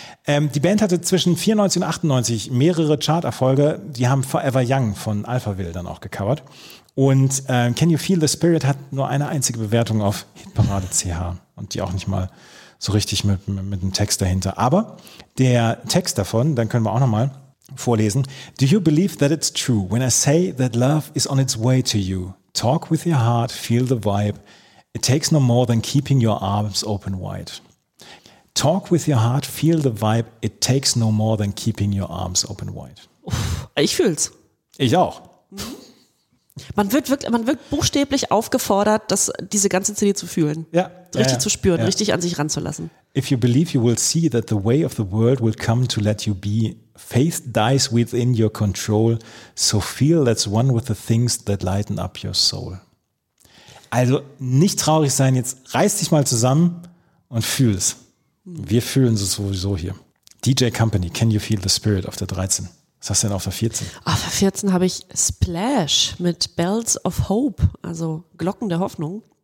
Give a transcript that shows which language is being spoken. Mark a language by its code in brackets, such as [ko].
[de] Die Band hatte zwischen 94 und 98 mehrere Charterfolge. Die haben Forever Young von Alphaville dann auch gecovert. Und Can You Feel the Spirit hat nur eine einzige Bewertung auf Hitparade.ch und die auch nicht mal so richtig mit dem Text dahinter. Aber der Text davon, dann können wir auch nochmal vorlesen. [en] Do you believe that it's true when I say that love is on its way to you? Talk with your heart, feel the vibe. It takes no more than keeping your arms open wide. Talk with your heart, feel the vibe. It takes no more than keeping your arms open wide. [de] Ich fühl's. Ich auch. Man wird wirklich, man wird buchstäblich aufgefordert, das, diese ganze CD zu fühlen. Ja. Richtig ja, zu spüren, ja. Richtig an sich ranzulassen. [en] If you believe you will see that the way of the world will come to let you be, faith dies within your control, so feel that's one with the things that lighten up your soul. [de] Also nicht traurig sein, jetzt reiß dich mal zusammen und fühl's. Wir fühlen es sowieso hier. DJ Company, can you feel the spirit auf der 13? Was hast du denn auf der 14? Auf der 14 habe ich Splash mit Bells of Hope, also Glocken der Hoffnung.